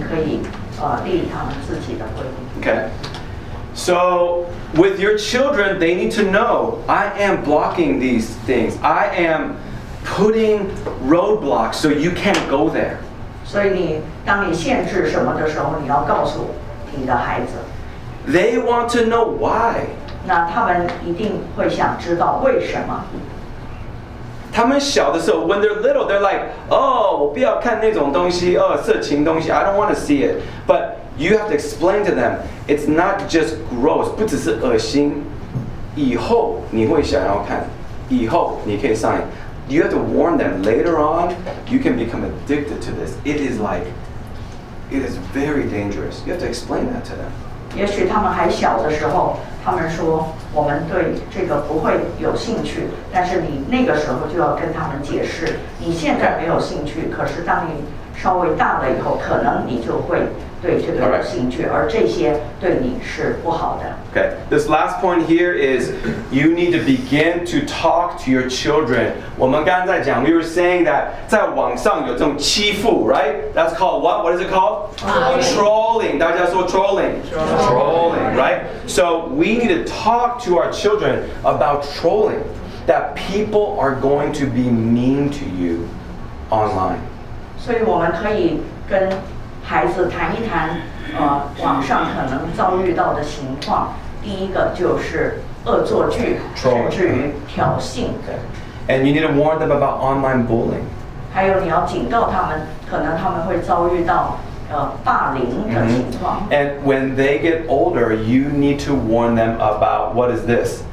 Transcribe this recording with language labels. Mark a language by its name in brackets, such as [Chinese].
[Chinese] 所以这是我家的规定，但是每个家庭可以立他们自己的规定。 [English] Okay. So with your children, they need to know I am blocking these things. I am putting roadblocks so you can't go there. [Chinese] 所以你当你限制什么的时候，你要告诉你的孩子。 [English] They want to know why. [Chinese] 那他们一定会想知道为什么。他们小的时候, [English] when they're little, they're like, oh, [Chinese] 我不要看那种东西, 色情东西, [English] I don't want to see it. But you have to explain to them, it's not just gross, [Chinese] 不只是恶心, 以后你会想要看, 以后你可以上瘾, [English] you have to warn them, later on, you can become addicted to this. It is like, it is very dangerous. You have to explain that to them. [Chinese] 也许他们还小的时候, 他们说我们对这个不会有兴趣，但是你那个时候就要跟他们解释，你现在没有兴趣，可是当你稍微大了以后，可能你就会对这个有兴趣，而这些对你是不好的。Okay, [English] this last point here is you need to begin to talk to your children. [Chinese] 我们刚才讲, [English] we were saying that [Chinese] 在网上有这种欺负, [English] right? That's called what? What is it called? Trolling. [Chinese] 大家说 trolling. [English] Trolling, right? So we need to talk to our children about trolling, that people are going to be mean to you online. [Chinese] 所以我们可以跟孩子谈一谈网上可能遭遇到的情况。第一个就是恶作剧，甚至于挑衅。 [English] And you need to warn them about online bullying. [Chinese] 还有你要警告他们，可能他们会遭遇到霸凌的情况。 [English] And when they get older, you need to warn them about what is this?